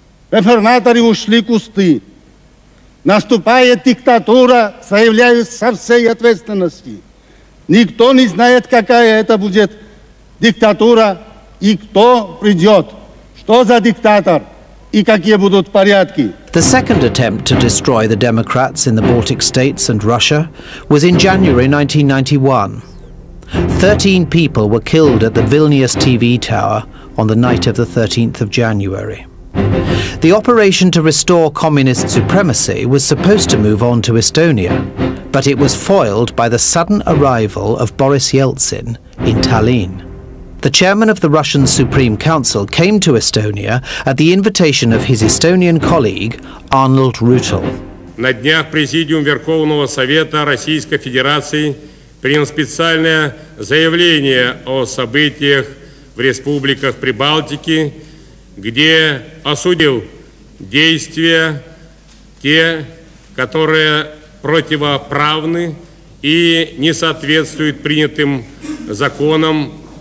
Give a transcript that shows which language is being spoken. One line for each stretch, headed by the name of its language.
Russian: Реформаторы ушли кусты. Наступает диктатура, заявляют со всей ответственности. Никто не знает, какая это будет диктатура и кто придет. Что за диктатор? и какие будут порядки.
English: The second attempt to destroy the Democrats in the Baltic states and Russia was in January 1991. 13 people were killed at the Vilnius TV tower on the night of the 13th of January. The operation to restore communist supremacy was supposed to move on to Estonia, but it was foiled by the sudden arrival of Boris Yeltsin in Tallinn. The chairman of the Russian Supreme Council came to Estonia at the invitation of his Estonian colleague, Arnold Rüütel.
Russian: На днях президиум Верховного Совета Российской Федерации принял специальное заявление о событиях в республиках Прибалтики, где осудил действия те, которые противоправны и не соответствуют принятым законам